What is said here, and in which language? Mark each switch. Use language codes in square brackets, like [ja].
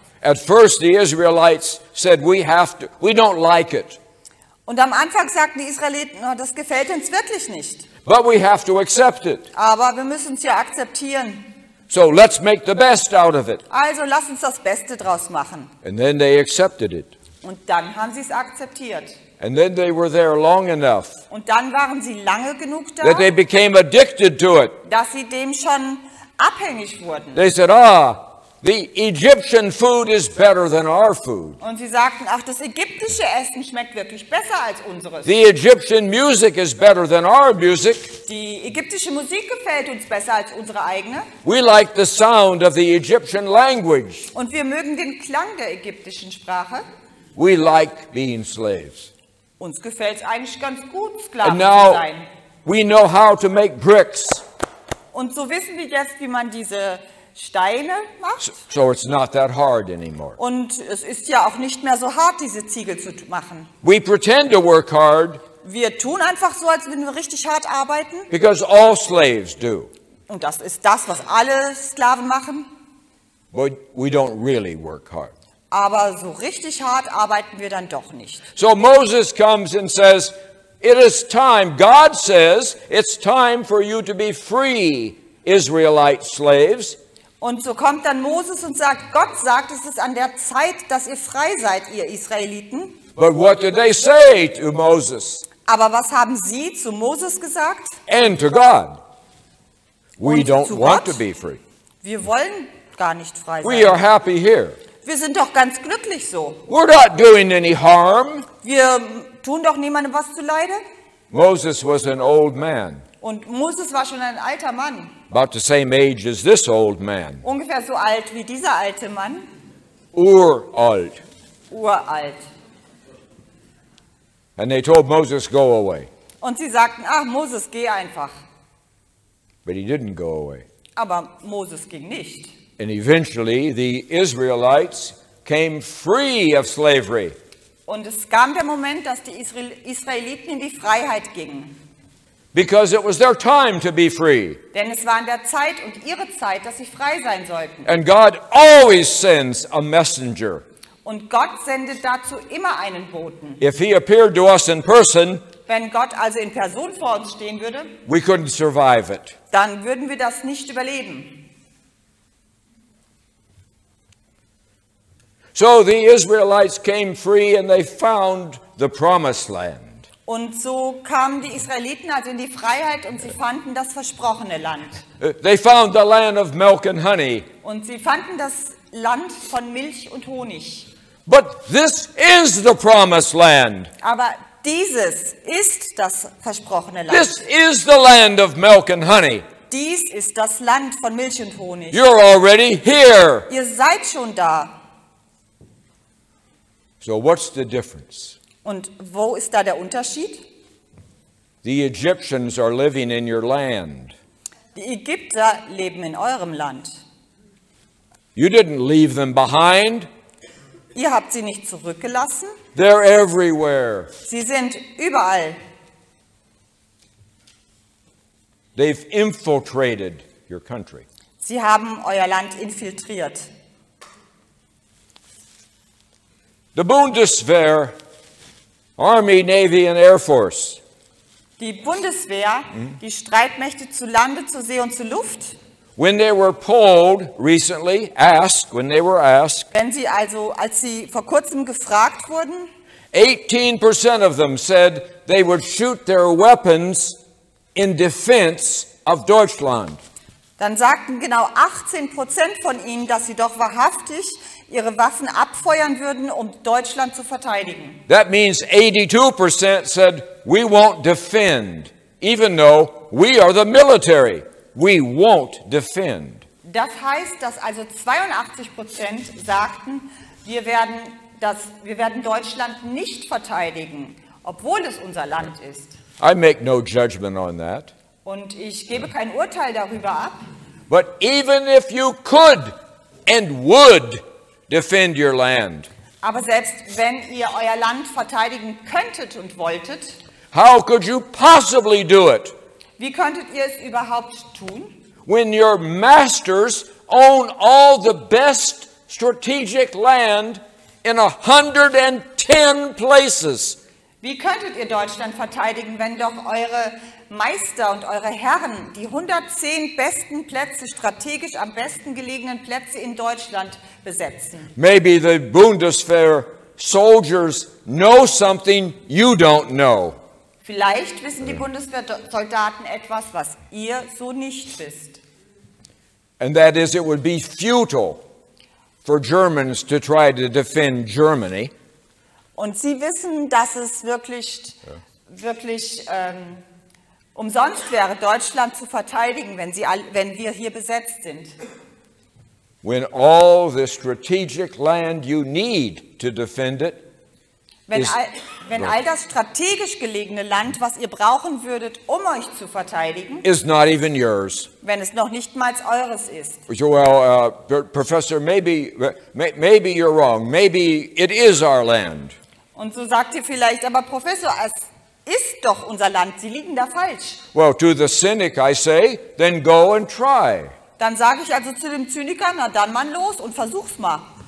[en] At first the Israelites said, we don't like it. [de] Und am Anfang sagten die Israeliten, no, das gefällt uns wirklich nicht. [en] But we have to accept it. [de] Aber wir müssen es ja akzeptieren. [en] So let's make the best out of it. [de] Also lass uns das Beste draus machen. [en] And then they accepted it. [de] Und dann haben sie es akzeptiert. [en] And then they were there long enough. [de] Und dann waren sie lange genug da. [en] That they became addicted to it. [de] Dass sie dem schon abhängig wurden. [en] They said, ah, the Egyptian food is better than our food. [de] Und sie sagten, ach, das ägyptische Essen schmeckt wirklich besser als unseres. [en] The Egyptian music is better than our music. [de] Die ägyptische Musik gefällt uns besser als unsere eigene. [en] We like the sound of the Egyptian language. [de] Und wir mögen den Klang der ägyptischen Sprache. [en] We like being slaves. [de] Uns gefällt es eigentlich ganz gut, Sklaven zu sein. [en] We know how to make bricks. [de] Und so wissen wir jetzt, wie man diese Steine macht. [en] So it's not that hard anymore. [de] Und es ist ja auch nicht mehr so hart, diese Ziegel zu machen. [en] We pretend to work hard. [de] Wir tun einfach so, als würden wir richtig hart arbeiten. [en] Because all slaves do. [de] Und das ist das, was alle Sklaven machen. [en] But we don't really work hard. [de] Aber so richtig hart arbeiten wir dann doch nicht. [en] So Moses comes and says, it is time. God says, it's time for you to be free, Israelite slaves. [de] Und so kommt dann Moses und sagt, Gott sagt, es ist an der Zeit, dass ihr frei seid, ihr Israeliten. [en] But what did they say to Moses? [de] Aber was haben sie zu Moses gesagt? [en] And to God. We don't want to be free. [de] Wir wollen gar nicht frei sein. [en] We are happy here. [de] Wir sind doch ganz glücklich so. [en] We're not doing any harm. [de] Wir tun doch niemandem was zu leide. [en] Moses was an old man. [de] Und Moses war schon ein alter Mann. [en] About the same age as this old man. [de] Ungefähr so alt wie dieser alte Mann. Uralt. Uralt. [en] And they told Moses, go away. [de] Und sie sagten, ach Moses, geh einfach. [en] But he didn't go away. [de] Aber Moses ging nicht. [en] And eventually the Israelites came free of slavery. [de] Und es kam der Moment, dass die Israeliten in die Freiheit gingen. [en] Because it was their time to be free. [de] Denn es war an der Zeit und ihre Zeit, dass sie frei sein sollten. [en] And God always sends a messenger. [de] Und Gott sendet dazu immer einen Boten. [en] If he appeared to us in person, [de] wenn Gott also in Person vor uns stehen würde, [en] we couldn't survive it. [de] Dann würden wir das nicht überleben. [en] So the Israelites came free and they found the promised land. [de] Und so kamen die Israeliten also in die Freiheit und sie fanden das versprochene Land. [en] They found the land of milk and honey. [de] Und sie fanden das Land von Milch und Honig. [en] But this is the promised land. [de] Aber dieses ist das versprochene Land. [en] This is the land of milk and honey. [de] Dies ist das Land von Milch und Honig. [en] You're already here. [de] Ihr seid schon da. [en] So what's the difference? [de] Und wo ist da der Unterschied? [en] The Egyptians are living in your land. [de] Die Ägypter leben in eurem Land. [en] You didn't leave them behind. [de] Ihr habt sie nicht zurückgelassen. [en] They're everywhere. [de] Sie sind überall. [en] They've infiltrated your country. [de] Sie haben euer Land infiltriert. [en] The Bundeswehr Army, Navy and Air Force. [de] Die Bundeswehr, die Streitmächte zu Lande, zu See und zu Luft. [en] When they were polled recently, asked, when they were asked. [de] Wenn sie also, als sie vor kurzem gefragt wurden. [en] 18% of them said they would shoot their weapons in defense of Deutschland. [de] Dann sagten genau 18% von ihnen, dass sie doch wahrhaftig ihre Waffen abfeuern würden, um Deutschland zu verteidigen. [en] That means 82% said we won't defend, even though we are the military. We won't defend. [de] Das heißt, dass also 82% sagten, wir werden Deutschland nicht verteidigen, obwohl es unser Land ist. [en] I make no judgment on that. [de] Und ich gebe kein Urteil darüber ab. [en] But even if you could and would defend your land. [de] Aber selbst wenn ihr euer Land verteidigen könntet und wolltet. [en] How could you possibly do it? [de] Wie könntet ihr es überhaupt tun? [en] When your masters own all the best strategic land in 110 places. [de] Wie könntet ihr Deutschland verteidigen, wenn doch eure Meister und eure Herren die 110 besten Plätze, strategisch am besten gelegenen Plätze in Deutschland besetzen? [en] Maybe the Bundeswehr soldiers know something you don't know. [de] Vielleicht wissen die Bundeswehrsoldaten etwas, was ihr so nicht wisst. [en] And that is, it would be futile for Germans to try to defend Germany. [de] Und sie wissen, dass es wirklich umsonst wäre, Deutschland zu verteidigen, wenn wir hier besetzt sind. [en] When all the strategic land you need to defend it. [de] Wenn all das strategisch gelegene Land, was ihr brauchen würdet, um euch zu verteidigen, [en] is not even yours. [de] Wenn es noch nicht mal eures ist. [en] Well, Professor, maybe you're wrong. Maybe it is our land. [de] Und so sagt ihr vielleicht, aber Professor, es ist doch unser Land. Sie liegen da falsch. [en] Well, to the cynic I say, then go and try. [de] Dann sage ich also zu dem Zyniker, na dann mal los und versuch's mal.